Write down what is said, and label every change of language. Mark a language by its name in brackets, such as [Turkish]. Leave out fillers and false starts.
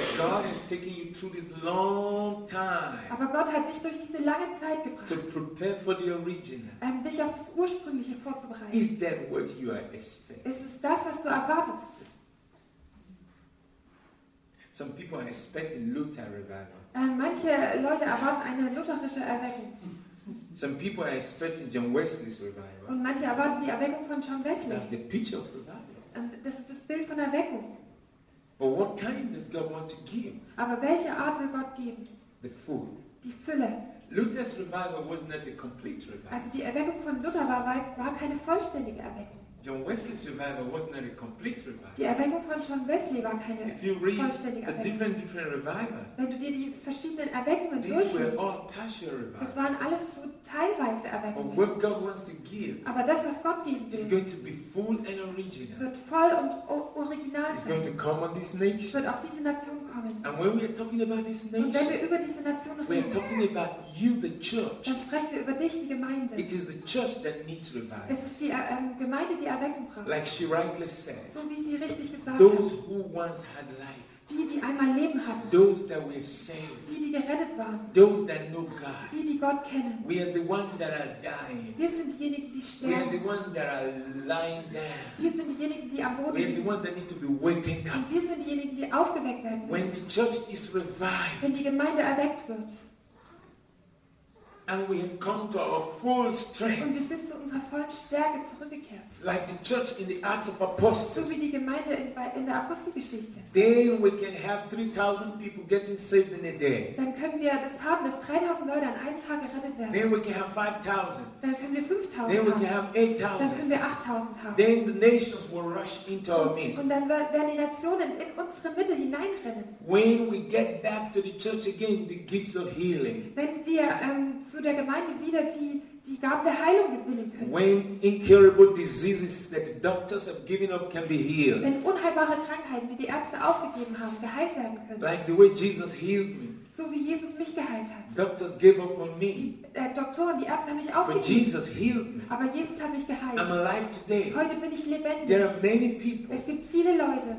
[English] God is taking you through this long time, [German] aber Gott hat dich durch diese lange Zeit gebracht, [English] to prepare for the original. [German] Dich auf das Ursprüngliche vorzubereiten. [English] Is that what you are expecting? [German] Ist es das, was du erwartest? [English] Some people are expecting Luther revival. [German] Manche Leute erwarten eine lutherische Erweckung. [English] Some people are expecting John Wesley's revival. [German] Und manche erwarten die Erweckung von John Wesley. [English] That's the picture of revival. [German] Das ist das Bild von Erweckung. [English] But what kind does God want to give? [German] Aber welche Art will Gott geben? [English] The full. [German] Die Fülle. [English] Luther's revival was not a complete revival. [German] Also die Erweckung von Luther war keine vollständige Erweckung. [English] John Wesley's revival was not a complete revival. [German] Die Erweckung von John Wesley war keine vollständige Erweckung. [English] The different revival, [German] wenn du dir die verschiedenen Erweckungen durchliest, das waren alles so teilweise Erweckungen. [English] What God wants to give, [German] aber das, was Gott geben will, [English] is going to be full and original. [German] Wird voll und original [English] it's [German] sein. [English] Going to come on this nation. [German] Es wird auf diese Nation kommen. [English] And when we are talking about this nation, [German] und wenn wir über diese Nation reden, [English] we are talking about you, the church. [German] Dann sprechen wir über dich, die Gemeinde. [English] It is the church that needs revival. [German] Es ist die Gemeinde, die Erweckung braucht. [English] Like she rightly said, [German] so wie sie richtig gesagt [English] those [German] hat. [English] Who once had life, [German] die einmal Leben hatten. [English] Those that were saved, [German] die gerettet waren. [English] Those that know God, [German] die Gott kennen. [English] We are the ones that are dying. [German] Wir sind diejenigen, die sterben. [English] We are the ones that are lying down. [German] Wir sind diejenigen, die am Boden liegen. [English] We are the ones that need to be waking up. [German] Wir sind diejenigen, die aufgeweckt werden müssen. [English] When the church is revived, [German] wenn die Gemeinde erweckt wird. [English] And we have come to our full strength. [German] Und wir sind zu unserer vollen Stärke zurückgekehrt. [English] Like the church in the Acts of Apostles. [German] So wie die Gemeinde in der Apostelgeschichte. [English] Then we can have 3,000 people getting saved in a day. [German] Dann können wir das haben, dass 3,000 Leute an einem Tag gerettet werden. [English] Then we can have 5,000. [German] Dann können wir 5,000 [English] Then we can have 8,000. [German] Dann können wir 8,000 haben. [English] Then the nations will rush into our midst. [German] Und dann werden die Nationen in unsere Mitte hineinrennen. [English] When we get back to the church again, the gifts of healing. [German] Wenn wir zu der Gemeinde wieder die Gaben der Heilung gewinnen können. [English] When incurable diseases that the doctors have given up can be healed. [German] Wenn unheilbare Krankheiten, die Ärzte aufgegeben haben, geheilt werden können. [English] Like the way Jesus healed me. [German] So wie Jesus mich geheilt hat. [English] Doctors gave up on me. [German] Doktoren, die Ärzte haben mich aufgegeben. [English] But Jesus healed me. [German] Aber Jesus hat mich geheilt. [English] I'm alive today. [German] Heute bin ich lebendig. [English] There are many people. [German] Es gibt viele Leute.